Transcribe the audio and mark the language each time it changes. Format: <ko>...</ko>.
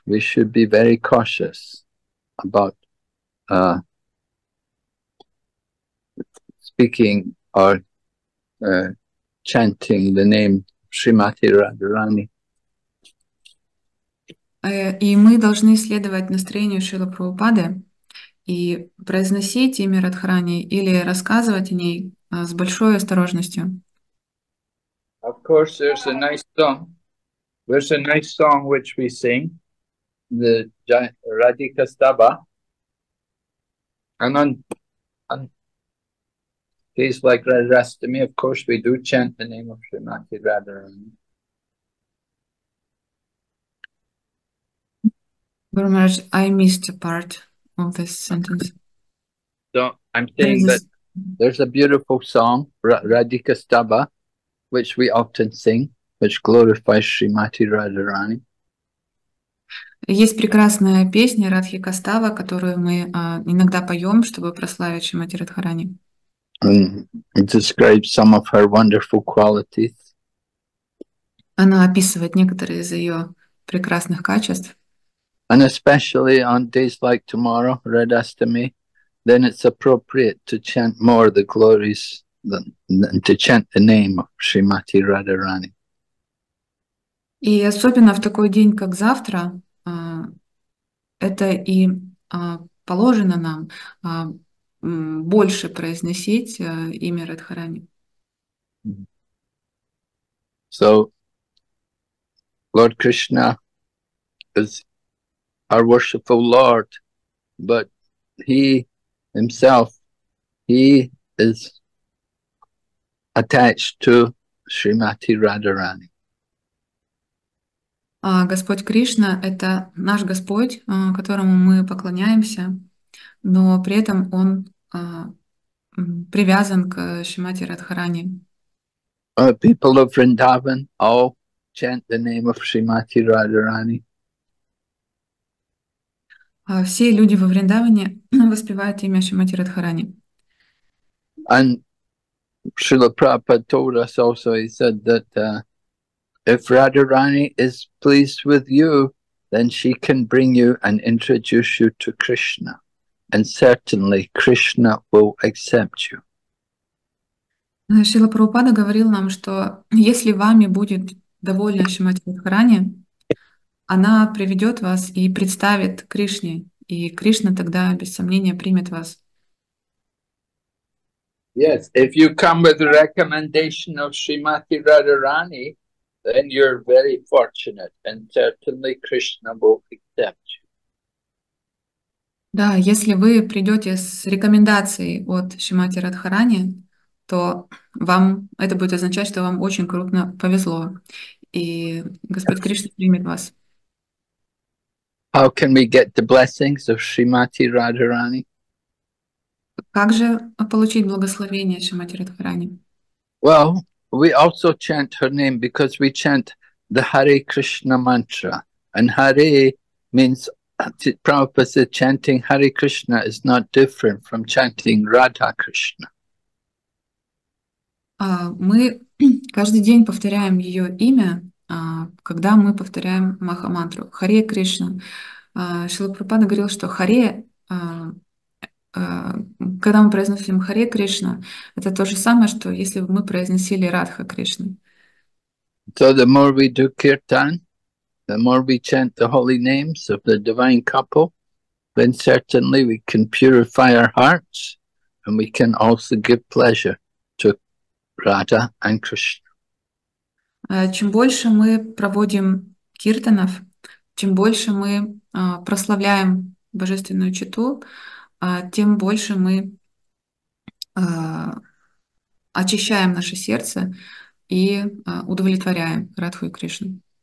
<en>We should be very cautious about speaking or chanting the name Srimati Radharani.</en> <ru>И мы должны следовать настроению Шрилы Прабхупады и произносить имя Радхарани или рассказывать о ней с большой осторожностью.</ru> <en>Of course, there's a nice song. There's a nice song which we sing, the Radhika Stava. And on days like Radharastami, of course, we do chant the name of Srimati Radharani. Guru Maharaj, I missed a part of this sentence. So I'm saying that there's a beautiful song, Radhika Stava, which we often sing, which glorifies Srimati Radharani.</en> <ru>Есть прекрасная песня Радхика Става, которую мы иногда поем, чтобы прославить Шримати Радхарани.</ru> <en>It describes some of her wonderful qualities.</en> <ru>Она описывает некоторые из ее прекрасных качеств.</ru> <en>And especially on days like tomorrow, Red Ashtami, then it's appropriate to chant more the glories than to chant the name of Shrimati Radharani.</en> <ru>И особенно в такой день, как завтра, это и положено нам больше произносить имя Радхарани.</ru> <en>So, Lord Krishna is our worshipful Lord, but he himself, he is attached to Srimati Radharani.</en> <ru>Господь Кришна — это наш Господь, которому мы поклоняемся, но при этом Он привязан к Шримати Радхарани.</ru> <en>People of Vrindavan all chant the name of Shrimati Radharani.</en> <ru>Все люди во Вриндаване воспевают имя Шримати Радхарани.</ru> <en>And Srila Prabhupada told us also, he said that if Radharani is pleased with you, then she can bring you and introduce you to Krishna. And certainly Krishna will accept you.</en> <ru>Шрила Прабхупада говорил нам, что если вами будет довольна Шримати Радхарани, она приведет вас и представит Кришне, и Кришна тогда, без сомнения, примет вас.</ru> <en>Yes, if you come with the recommendation of Shrimati Radharani, then you're very fortunate, and certainly Krishna will accept you.</en> <ru>Да, если вы придете с рекомендацией от Шримати Радхарани, то вам это будет означать, что вам очень крупно повезло, и Господь Кришна примет вас.</ru> <en>How can we get the blessings of Shrimati Radharani?</en> <ru>Как же получить благословение Шримати Радхарани?</ru> <en>Well, we also chant her name because we chant the Hare Krishna mantra. And Hare means, Prabhupada said, chanting Hare Krishna is not different from chanting Radha Krishna.</en> <ru>Мы каждый день повторяем ее имя, когда мы повторяем Маха-мантру. Харе Кришна. Шрила Прабхупада говорил, что Харе, когда мы произносим Харе Кришна, это то же самое, что если бы мы произносили Радха Кришна.</ru> <en>So the more we do kirtan, the more we chant the holy names of the divine couple, then certainly we can purify our hearts and we can also give pleasure. Radha and Krishna.</en> <ru>Чем больше мы проводим киртанов, чем больше мы прославляем божественную читу, тем больше мы очищаем наше сердце и удовлетворяем Радху и Кришну.</ru>